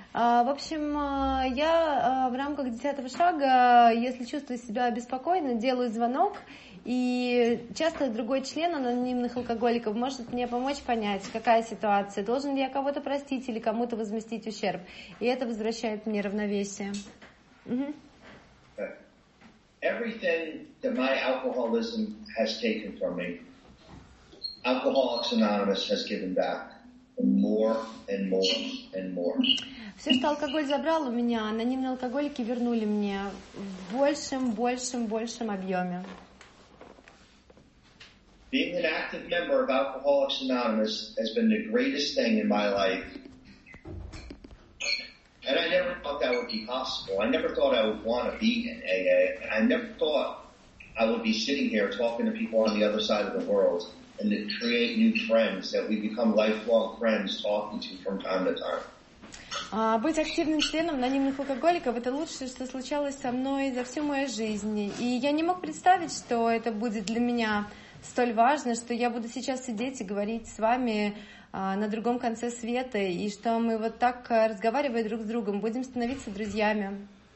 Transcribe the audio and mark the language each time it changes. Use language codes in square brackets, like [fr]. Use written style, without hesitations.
[ru] В общем, я в рамках десятого шага, если чувствую себя обеспокоенно, делаю звонок, и часто другой член анонимных алкоголиков может мне помочь понять, какая ситуация, должен ли я кого-то простить или кому-то возместить ущерб. И это возвращает мне равновесие. Mm-hmm. [en] Everything that my alcoholism has taken from me, Alcoholics Anonymous has given back more and more and more. [ru] Все, что алкоголь забрал у меня, анонимные алкоголики вернули мне в большем, большем, большем объеме. [en] Being an active member of Alcoholics Anonymous has been the greatest thing in my life. And I never thought that would be possible. I never thought I would want to be in AA. And I never thought I would be sitting here talking to people on the other side of the world and to create new friends that we become lifelong friends talking to from time to time. [ru] Быть активным членом анонимных алкоголиков — это лучшее, что случалось со мной за всю мою жизнь. И я не мог представить, что это будет для меня столь важно, что я буду сейчас сидеть и говорить с вами на другом конце света, и что мы вот так, разговаривая друг с другом, будем становиться друзьями.